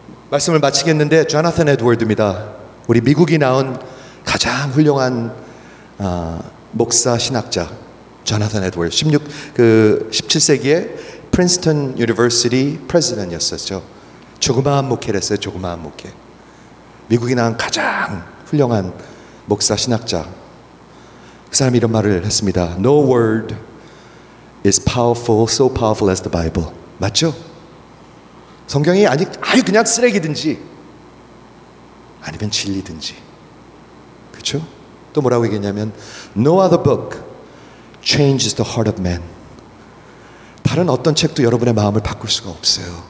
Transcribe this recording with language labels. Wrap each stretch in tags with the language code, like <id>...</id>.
<ko>말씀을 마치겠는데 조나선 에드워드입니다. 우리 미국이 낳은 가장 훌륭한 목사 신학자 조나선 에드워드. 17세기에 프린스턴 유니버시티 프레지던트였었죠. 조그마한 목회를 했어요. 조그마한 목회. 미국이 낳은 가장 훌륭한 목사 신학자. 그 사람이 이런 말을 했습니다.</ko> <en>No word is powerful, so powerful as the Bible.</en> <ko>맞죠? 성경이 아니 그냥 쓰레기든지 아니면 진리든지. 그렇죠? 또 뭐라고 얘기했냐면</ko> <en>No other book changes the heart of man.</en> <ko>다른 어떤 책도 여러분의 마음을 바꿀 수가 없어요.</ko>